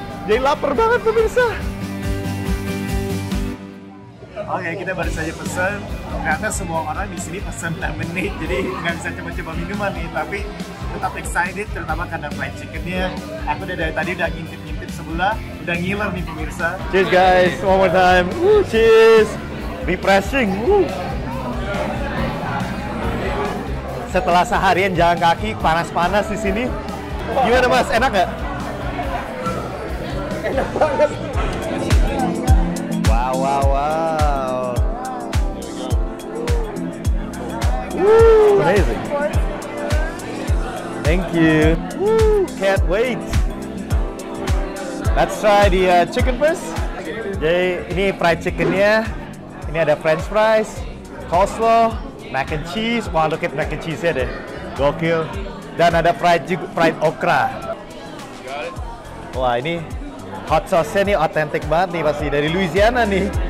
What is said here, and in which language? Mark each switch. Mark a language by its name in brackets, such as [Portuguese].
[Indonesian] Jadi lapar banget pemirsa. Oke, kita baru saja pesan. Ternyata semua orang di sini pesan 6 menit. Jadi nggak bisa coba-coba minuman nih. Tapi tetap excited, terutama karena fried chicken-nya. Aku udah dari tadi udah ngintip-ngintip sebelah. Udah ngiler nih pemirsa. [English] Cheers guys, one more time. Woo, cheers. Refreshing. Woo. [Indonesian] Setelah seharian jalan kaki, panas-panas di sini. Gimana mas, enak nggak? Wow, wow, wow. [English] Woo, amazing. Thank you. Woo, can't wait. Let's try the chicken first. [Indonesian] Jadi ini fried chicken-nya. Ini ada french fries, coleslaw, mac and cheese. [English] Wow, look at mac and cheese-nya deh. [Indonesian] Gokil. Dan ada fried okra. Wah, ini hot sauce-nya nih otentik banget nih, pasti dari Louisiana nih.